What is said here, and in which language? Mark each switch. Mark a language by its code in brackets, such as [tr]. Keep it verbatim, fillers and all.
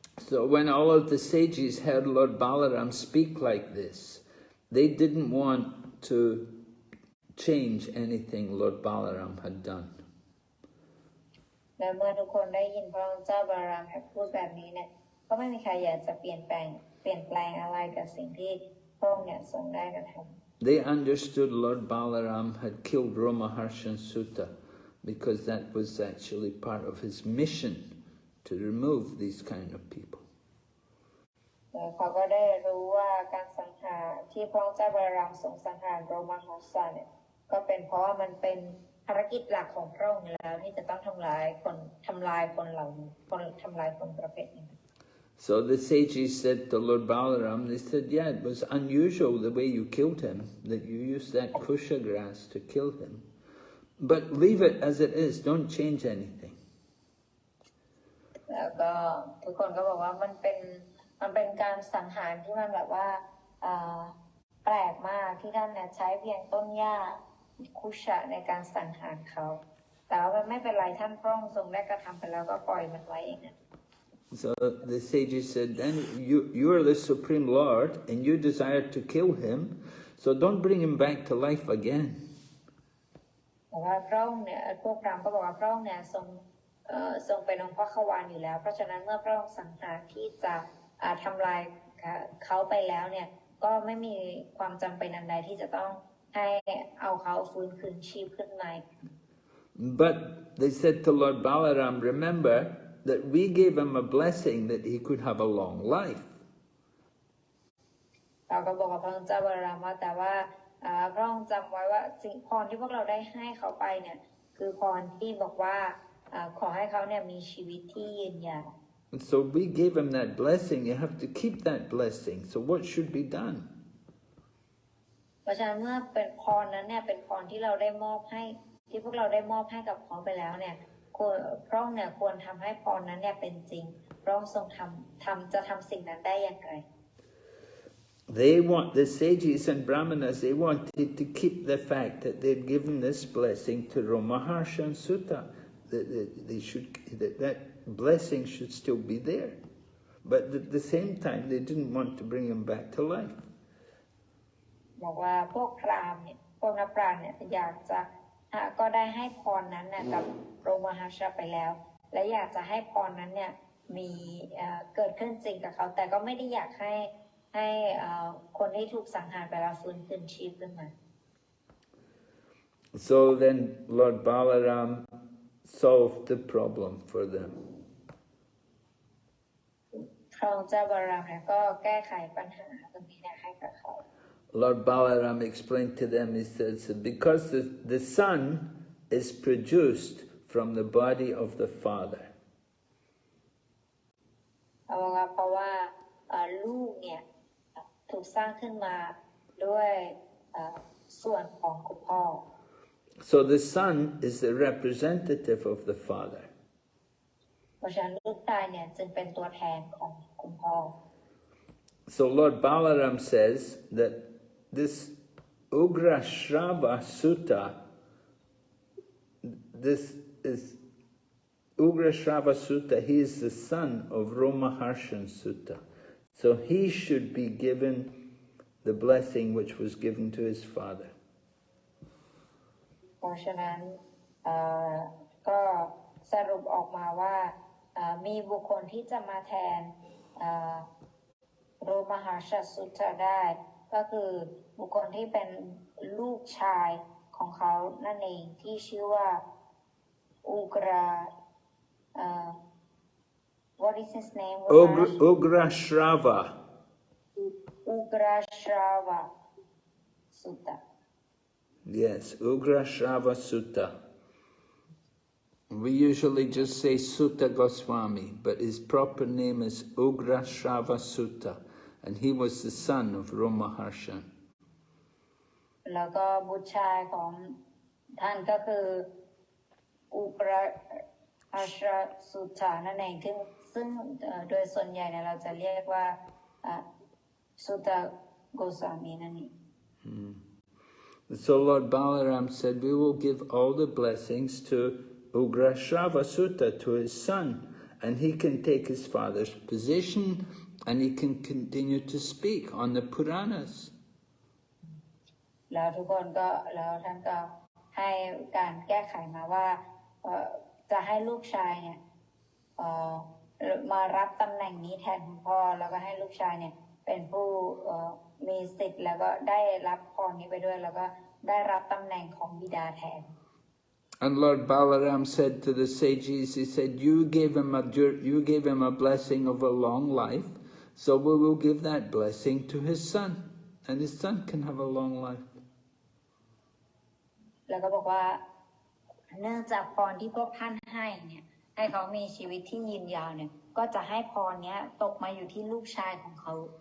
[en] So when all of the sages heard Lord Balaram speak like this, they didn't want to change anything Lord Balaram had done. [th] และเมื่อทุกคนได้ยินพระองค์เจ้าบาลามพูดแบบนี้เนี่ยก็ไม่มีใครอยากจะเปลี่ยนแปลงเปลี่ยนแปลงอะไรกับสิ่งที่พระองค์เนี่ยทรงได้กระทำ [en] They understood Lord Balaram had killed Romaharshan Sutta because that was actually part of his mission to remove these kind of people. [th] แล้วเขาก็ได้รู้ว่าการสังหารที่พระองค์เจ้าบาลามทรงสังหารโรมาหัสสะเนี่ยก็เป็นเพราะว่ามันเป็นภารกิจหลักของพระองค์แล้วที่จะต้องทำลายคนทำลายคนเหล่านี้คนทำลายคนประเภทนี้ [en] So the sages said to Lord Balaram, they said, yeah, it was unusual the way you killed him, that you used that kusha grass to kill him. But leave it as it is, don't change anything. [th] แล้วก็ทุกคนก็บอกว่ามันเป็นมันเป็นการสังหารที่มันแบบว่าเอ่อแปลกมากที่ท่านเนี่ยใช้เพียงต้นหญ้าคุชะในการสังหารเขาแต่ว่ามันไม่เป็นไรท่านพระองค์ทรงได้กระทำไปแล้วก็ปล่อยมันไว้เองนะ [en] So the sages said, then you, you are the Supreme Lord and you desire to kill him, so don't bring him back to life again. [th] แต่ว่าพระองค์เนี่ยพวกพราหมณ์ก็บอกว่าพระองค์เนี่ยทรงเอ่อทรงเป็นองค์พระขวานอยู่แล้วเพราะฉะนั้นเมื่อพระองค์สังหารที่จะอ่าทำลายเขาไปแล้วเนี่ยก็ไม่มีความจำเป็นอันใดที่จะต้องให้เอาเขาฟื้นคืนชีพขึ้นมา [en] But they said to Lord Balaram, remember that we gave him a blessing that he could have a long life. [th] เราก็บอกกับพระองค์เจ้าบาลามว่าแต่ว่าอ่าพระองค์จำไว้ว่าสิ่งพรที่พวกเราได้ให้เขาไปเนี่ยคือพรที่บอกว่าอ่าขอให้เขาเนี่ยมีชีวิตที่ยืนยาว [en] And so we gave him that blessing, you have to keep that blessing. So what should be done? [th] เพราะฉะนั้นเมื่อเป็นพรนั้นเนี่ยเป็นพรที่เราได้มอบให้ที่พวกเราได้มอบให้กับเขาไปแล้วเนี่ยควรพระองค์เนี่ยควรทำให้พรนั้นเนี่ยเป็นจริงพระองค์ทรงทำทำจะทำสิ่งนั้นได้อย่างไร [en] They want, the sages and brahmanas, they wanted to keep the fact that they'd given this blessing to Romaharsha and Sutta, that they, they should, that, that blessing should still be there. But at the same time, they didn't want to bring him back to life. [th] บอกว่าพวกพราหมณ์เนี่ยพวกนักปราชญ์เนี่ยอยากจะอ่ะก็ได้ให้พรนั้นน่ะกับโรมหัสสะไปแล้วและอยากจะให้พรนั้นเนี่ยมีเอ่อเกิดขึ้นจริงกับเขาแต่ก็ไม่ได้อยากให้ให้เอ่อคนที่ถูกสังหารไปแล้วฟื้นคืนชีพขึ้นมา [en] So then Lord Balaram solved the problem for them. [th] พระองค์เจ้าบาลามเนี่ยก็แก้ไขปัญหาตรงนี้เนี่ยให้กับเขา [en] Lord Balaram explained to them, he says, because the, the son is produced from the body of the father. [th] เอาละเพราะว่าเอ่อลูกเนี่ยถูกสร้างขึ้นมาด้วยเอ่อส่วนของคุณพ่อ [en] So the son is the representative of the father. [th] เพราะฉะนั้นลูกชายเนี่ยจึงเป็นตัวแทนของคุณพ่อ [en] So Lord Balaram says that this Ugrashrava Sutta, this is Ugrashrava Sutta, he is the son of Romaharshan Sutta. So he should be given the blessing which was given to his father. [th] เพราะฉะนั้นเอ่อก็สรุปออกมาว่าเอ่อมีบุคคลที่จะมาแทนเอ่อโรมหาชาสุตะได้ก็คือบุคคลที่เป็นลูกชายของเขานั่นเองที่ชื่อว่าอุกราเอ่อ [en] what is his name Ugra- Ugrashrava. [th] อุกราชาวะสุตะ [en] Yes, Ugrashrava Sutta. We usually just say Sutta Goswami, but his proper name is Ugrashrava Sutta, and he was the son of Romaharshan. [th] แล้วก็บุตรชายของท่านก็คืออุกราอาชาสุตะนั่นเองซึ่งซึ่งเอ่อโดยส่วนใหญ่เนี่ยเราจะเรียกว่าอ่ะสุตะโกสามีนั่นเอง [en] So Lord Balaram said, we will give all the blessings to Ugrashrava Sutta to his son, and he can take his father's position and he can continue to speak on the Puranas. [th] แล้วทุกคนก็แล้วท่านก็ให้การแก้ไขมาว่าเอ่อจะให้ลูกชายเนี่ยเอ่อมารับตำแหน่งนี้แทนคุณพ่อแล้วก็ให้ลูกชายเนี่ยเป็นผู้เอ่อมีสิทธิ์แล้วก็ได้รับพรนี้ไปด้วยแล้วก็ได้รับตำแหน่งของบิดาแทน [en] And Lord Balaram said to the sages, he said, you gave him a dur- you gave him a blessing of a long life, so we will give that blessing to his son, and his son can have a long life. [th] แล้วก็บอกว่าเนื่องจากพรที่พวกท่านให้เนี่ยให้เขามีชีวิตที่ยืนยาวเนี่ยก็จะให้พรเนี้ยตกมาอยู่ที่ลูกชายของเขา